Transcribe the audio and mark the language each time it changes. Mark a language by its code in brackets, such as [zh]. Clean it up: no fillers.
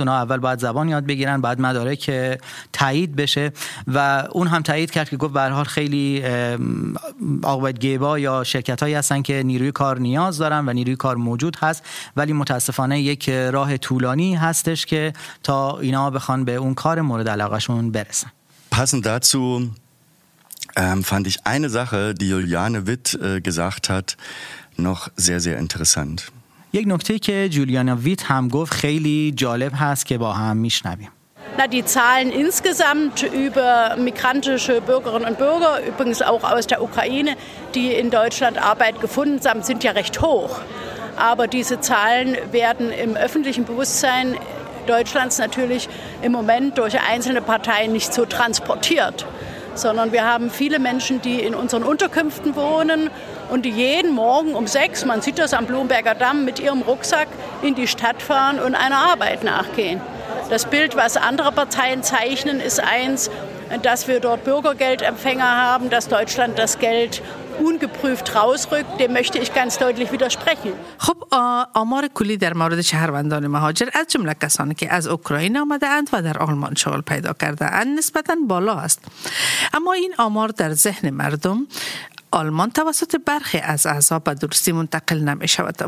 [fa] اونا اول باید زبان یاد بگیرن، بعد مدارک تایید بشه. و اون هم تایید کرد که گفت به هر حال خیلی آبادگیبا یا شرکت هایی هستن که نیروی کار نیاز دارن و نیروی کار موجود هست، ولی متاسفانه یک راه طولانی هستش که تا اینا بخوان به اون کار مورد علاقهشون برسن. [de] Passend dazu fand ich eine Sache, die Juliane Witt gesagt hat, noch sehr, sehr interessant. [fa] یک نکته که جولیانه ویت هم گفت خیلی جالب هست که با هم میشنویم. [de] Na, die Zahlen insgesamt über migrantische Bürgerinnen und Bürger, übrigens auch aus der Ukraine, die in Deutschland Arbeit gefunden haben, sind ja recht hoch. Aber diese Zahlen werden im öffentlichen Bewusstsein Deutschlands natürlich im Moment durch einzelne Parteien nicht so transportiert, sondern wir haben viele Menschen, die in unseren Unterkünften wohnen und die jeden Morgen um 6, man sieht das am Blumberger Damm, mit ihrem Rucksack in die Stadt fahren und einer Arbeit nachgehen. Das Bild, was andere Parteien zeichnen, ist eins, dass wir dort Bürgergeldempfänger haben, dass Deutschland das Geld ungeprüft rausrückt, dem möchte ich ganz deutlich widersprechen. [fa] خب آمار کلی در مورد شهروندان مهاجر از جمله کسانی که از اوکراین آمده اند و در آلمان شغل پیدا کرده اند نسبتا بالا است. اما این آمار در ذهن مردم آلمان توسط برخی از احزاب به درستی منتقل نمی شود.